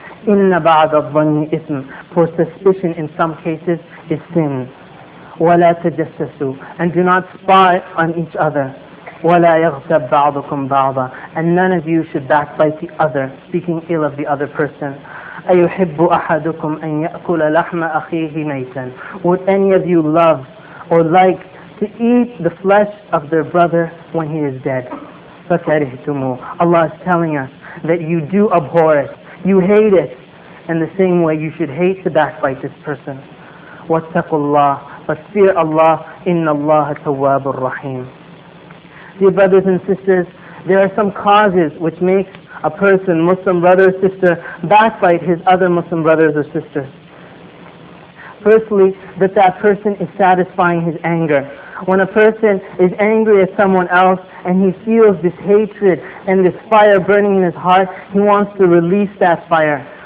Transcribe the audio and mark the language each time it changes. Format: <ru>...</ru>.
<ar>Inna ba'da adh-dhanni ithm.</ar> <en>For suspicion in some cases is sin.</en> <ar>وَلَا تَجَسَّسُوا.</ar> <en>And do not spy on each other.</en> <ar>وَلَا يَغْتَبْ بَعْضُكُمْ بَعْضًا.</ar> <en>And none of you should backbite the other, speaking ill of the other person.</en> <ar>أَيُحِبُّ أَحَدُكُمْ أَنْ يَأْكُلَ لَحْمَ أَخِيهِ مَيْتًا.</ar> <en>Would any of you love or like to eat the flesh of their brother when he is dead?</en> <ar>فَكَرِهْتُمُوهُ.</ar> <en>Allah is telling us that you do abhor it. You hate it. In the same way you should hate to backbite this person.</en> <ar>وَاتَّقُوا اللَّهُ.</ar> <en>But fear Allah,</en> <ar>إِنَّ اللَّهَ تَوَّابُ الرَّحِيمُ.</ar> <en>Dear brothers and sisters, there are some causes which makes a person, Muslim brother or sister, backbite his other Muslim brothers or sisters. Firstly, that person is satisfying his anger. When a person is angry at someone else and he feels this hatred and this fire burning in his heart, he wants to release that fire.</en>